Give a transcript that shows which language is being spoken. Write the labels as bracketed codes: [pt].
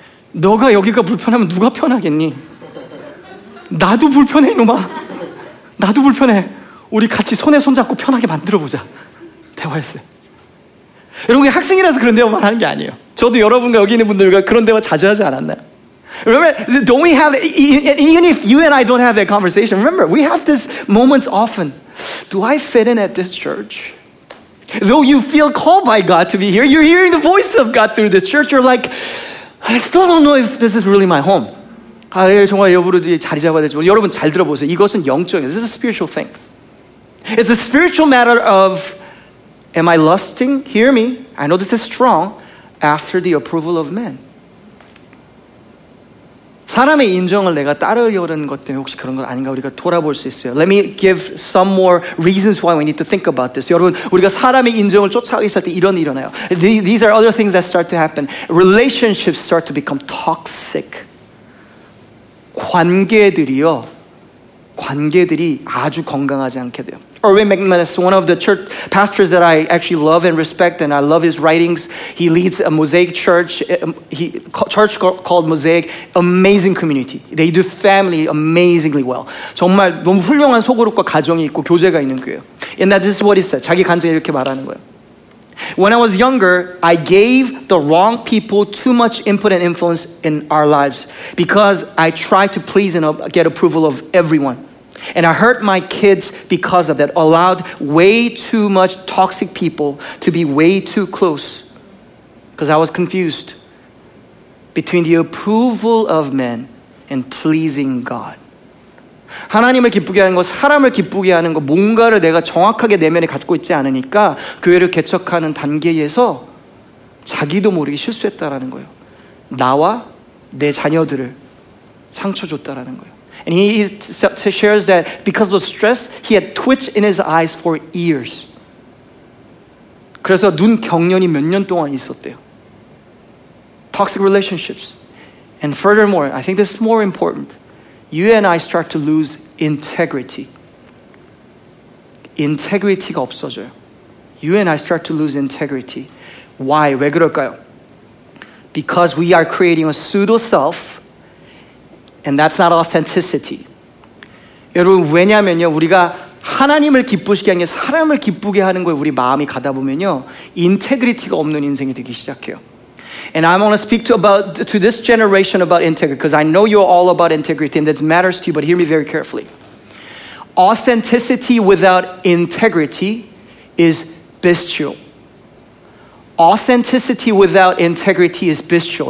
[ko] 너가 여기가 불편하면 누가 편하겠니? 나도 불편해 이놈아. 나도 불편해. 우리 같이 손에 손잡고 편하게 만들어보자. 대화했어요. 여러분 학생이라서 그런 대화만 하는 게 아니에요. 저도 여러분과 여기 있는 분들과 그런 대화 자주 하지 않았나요? [en] Remember, don't we have, even if you and I don't have that conversation, remember, we have these moments often. Do I fit in at this church? Though you feel called by God to be here, you're hearing the voice of God through this church. You're like, I still don't know if this is really my home. [ko] 아, 정말 여부로 자리 잡아야 되지. 여러분 잘 들어보세요. 이것은 영적이에요. [en] This is a spiritual thing. It's a spiritual matter of, am I lusting? Hear me. I know this is strong. After the approval of men. [ko] 사람의 인정을 내가 따르려는 것 때문에 혹시 그런 건 아닌가 우리가 돌아볼 수 있어요. [en] Let me give some more reasons why we need to think about this. [ko] 여러분, 우리가 사람의 인정을 쫓아가기 시작할 때 이런 일이 일어나요. [en] These are other things that start to happen. Relationships start to become toxic. [ko] 관계들이요. 관계들이 아주 건강하지 않게 돼요. [en] Irwin McManus, one of the church pastors that I actually love and respect, and I love his writings. He leads a Mosaic church, church called Mosaic. Amazing community. They do family amazingly well. [ko] 정말 너무 훌륭한 소그룹과 가정이 있고 교제가 있는 교회. [en] And that this is what he said. [ko] 자기 간증 이렇게 말하는 거예요. [en] When I was younger, I gave the wrong people too much input and influence in our lives because I tried to please and get approval of everyone. And I hurt my kids because of that. Allowed way too much toxic people to be way too close. Because I was confused between the approval of men and pleasing God. [ko] 하나님을 기쁘게 하는 것, 사람을 기쁘게 하는 것, 뭔가를 내가 정확하게 내면에 갖고 있지 않으니까 교회를 개척하는 단계에서 자기도 모르게 실수했다라는 거예요. 나와 내 자녀들을 상처 줬다라는 거예요. [en] And he shares that because of stress, he had twitch in his eyes for years. [ko] 그래서 눈 경련이 몇 년 동안 있었대요. [en] Toxic relationships. And furthermore, I think this is more important. You and I start to lose integrity. [ko] Integrity가 없어져요. [en] You and I start to lose integrity. Why? [ko] 왜 그럴까요? [en] Because we are creating a pseudo-self. And that's not authenticity. [ko] 여러분 왜냐면요 우리가 하나님을 기쁘시게 하는 게 사람을 기쁘게 하는 거에 우리 마음이 가다 보면요 인테그리티가 없는 인생이 되기 시작해요. [en] And I want to speak to this generation about integrity because I know you're all about integrity and that matters to you. But hear me very carefully. Authenticity without integrity is bestial. authenticity without integrity is bestial.